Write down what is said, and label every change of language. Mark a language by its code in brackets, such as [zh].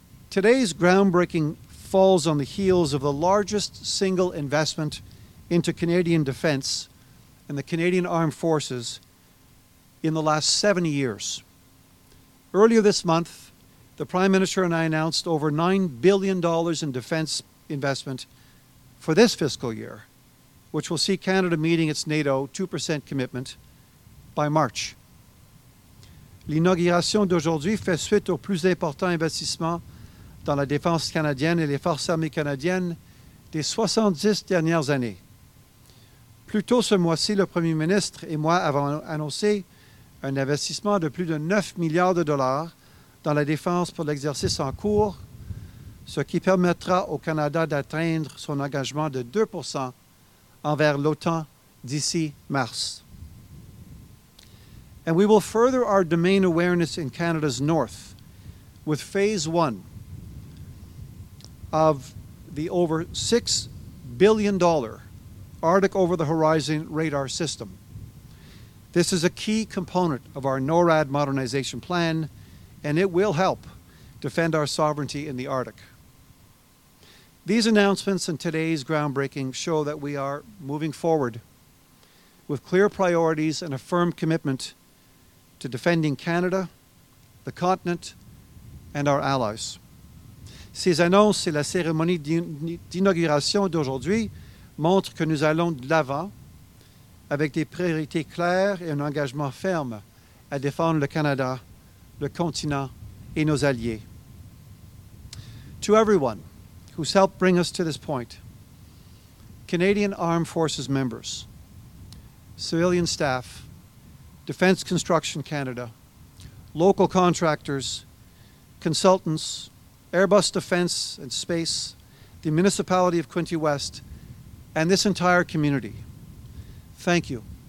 [en] Today's groundbreaking falls on the heels of the largest single investment into Canadian defense and the Canadian Armed Forces in the last 70 years. Earlier this month, the Prime Minister and I announced over $9 billion in defense investment for this fiscal year, which will see Canada meeting its NATO 2% commitment by March. [fr] L'inauguration d'aujourd'hui fait suite au plus important investissement dans la défense canadienne et les forces armées canadiennes des 70 dernières années. Plus tôt ce mois-ci, le Premier ministre et moi avons annoncé un investissement de plus de 9 milliards de dollars dans la défense pour l'exercice en cours, ce qui permettra au Canada d'atteindre son engagement de 2% envers l'OTAN d'ici mars. [en] And we will further our domain awareness in Canada's north with phase one of the over $6 billion Arctic Over the Horizon radar system. This is a key component of our NORAD modernization plan, and it will help defend our sovereignty in the Arctic. These announcements and today's groundbreaking show that we are moving forward with clear priorities and a firm commitment to defending Canada, the continent, and our allies. [fr] Ces annonces et la cérémonie d'inauguration d'aujourd'hui montrent que nous allons de l'avant avec des priorités claires et un engagement ferme à défendre le Canada, le continent et nos alliés. [en] To everyone who's helped bring us to this point, Canadian Armed Forces members, civilian staff, Defence Construction Canada, local contractors, consultants, Airbus Defence and Space, the Municipality of Quinte West, and this entire community, thank you.